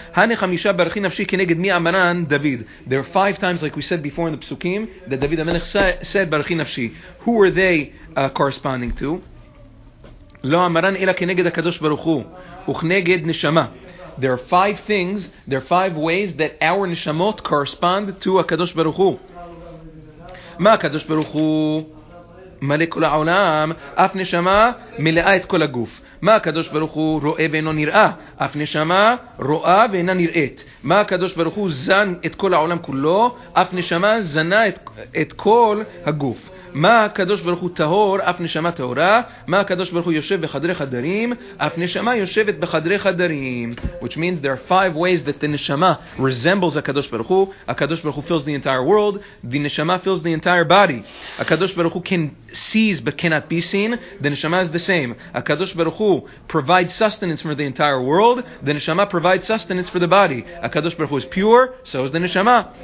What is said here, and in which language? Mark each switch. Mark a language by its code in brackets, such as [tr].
[he] Hani chamisha barachin nafshi kineged mi amaran David. [en] There are five times, like we said before in the psukim, that David HaMelech said barachin nafshi. Who were they corresponding to? [he] Lo amaran ila kineged HaKadosh Baruch Hu uchneged neshama. [en] There are five things, there are five ways that our neshamot correspond to HaKadosh Baruch Hu. [he] Ma HaKadosh Baruch Hu מלא כל העולם, אף נשמה מלאה את כל הגוף. מה הקדוש ברוך הוא רואה ואינו נראה? אף נשמה רואה ואינה נראית. מה הקדוש ברוך הוא זן את כל העולם כולו? אף נשמה זנה את כל הגוף. מה הקדוש ברוך הוא טהור? אף נשמה טהורה. מה הקדוש ברוך הוא יושב בחדרי חדרים? אף נשמה יושבת בחדרי חדרים. [en] Which means there are five ways that the neshama resembles הקדוש ברוך הוא. הקדוש ברוך הוא fills the entire world. The neshama fills the entire body. הקדוש ברוך הוא can sees but cannot be seen. The neshama is the same. הקדוש ברוך הוא provides sustenance for the entire world. The neshama provides sustenance for the body. הקדוש ברוך הוא is pure, so is the neshama.